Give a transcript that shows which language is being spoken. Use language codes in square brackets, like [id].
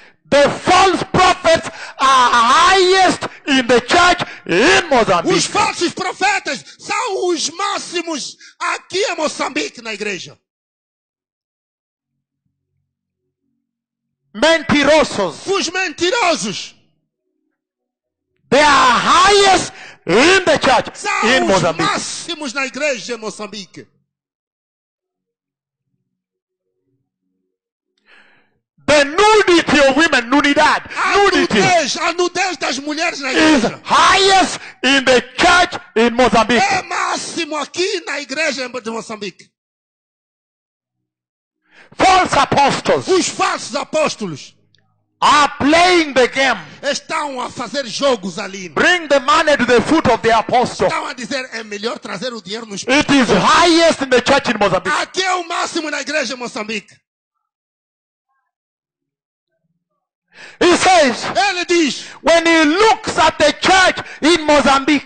[en] The false prophets are highest in the church in Mozambique. [pt] Os falsos profetas são os máximos aqui em Moçambique na igreja. Mentirosos. Os mentirosos. [en] They are highest in the church [pt] são [en] in Mozambique. [pt] São os máximos na igreja em Moçambique. [en] The nudity of women, nudidad, nudity, [pt] a nudez das mulheres na igreja, [en] is highest in the church in Mozambique. [pt] É máximo aqui na igreja de Moçambique. [en] False apostles, [pt] os falsos apóstolos, [en] are playing the game. [pt] Estão a fazer jogos ali. [en] Bring the money to the foot of the apostle. [pt] Estão a dizer é melhor trazer o dinheiro nos. [en] It is highest in the church in Mozambique. [pt] Aqui é o máximo na igreja de Moçambique. [en] He says, [pt] ele diz, [en] when he looks at the church in Mozambique,